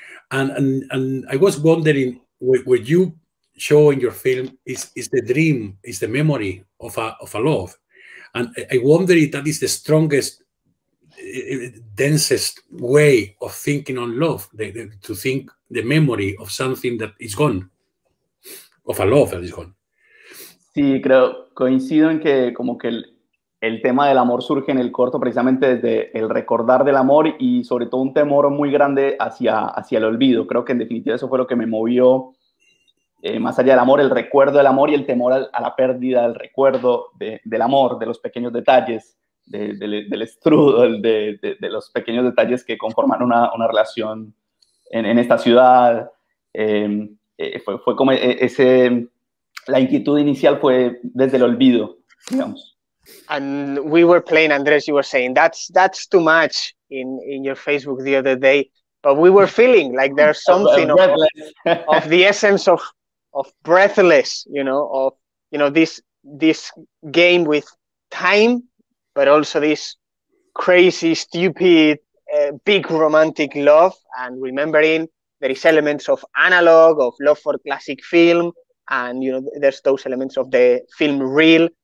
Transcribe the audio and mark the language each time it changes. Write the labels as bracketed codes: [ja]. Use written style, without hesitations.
[en] And I was wondering, what you show in your film is the dream, is the memory of a love. And I wonder if that is the strongest, densest way of thinking on love, to think the memory of something that is gone, of a love that is gone. [es] Sí, creo, coincido en que como que el tema del amor surge en el corto precisamente desde el recordar del amor y sobre todo un temor muy grande hacia el olvido. Creo que en definitiva eso fue lo que me movió más allá del amor, el recuerdo del amor y el temor a la pérdida del recuerdo del amor, de los pequeños detalles, del strudel, de los pequeños detalles que conforman una relación en esta ciudad. Fue como ese, la inquietud inicial fue desde el olvido, digamos. [en] And we were playing, Andrés, you were saying that's too much in your Facebook the other day, but we were feeling like there's something of the essence of breathless, you know, of, you know, this game with time, but also this crazy, stupid, big romantic love, and remembering there is elements of analog, of love for classic film, and, you know, there's those elements of the film reel.